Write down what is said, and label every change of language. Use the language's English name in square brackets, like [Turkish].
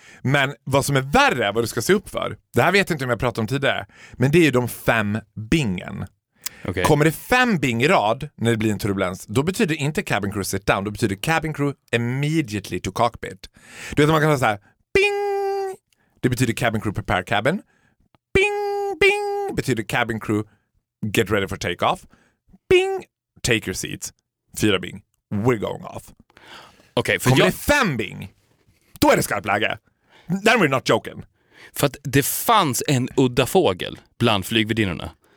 [Swedish] Men vad som är värre är vad du ska se upp för. Det här vet jag inte om jag pratat om tidigare. Men det är ju de 5 bingen. [English] Okay. [Swedish] Kommer det 5 bing i rad när det blir en turbulens, då betyder inte [English] cabin crew sit down, [Swedish] då betyder [English] cabin crew immediately to cockpit. [Swedish] Du vet att man kan säga så här, bing, det betyder [English] cabin crew prepare cabin. Bing, bing, [Swedish] betyder [English] cabin crew get ready for take off. Bing, take your seats. 4 bing, we're going off. Okay, [Swedish] för kommer det 5 bing, då är det skarpt läge. [English] Then we're not joking. [Swedish] För att det fanns en udda fågel bland flygvärdinnorna.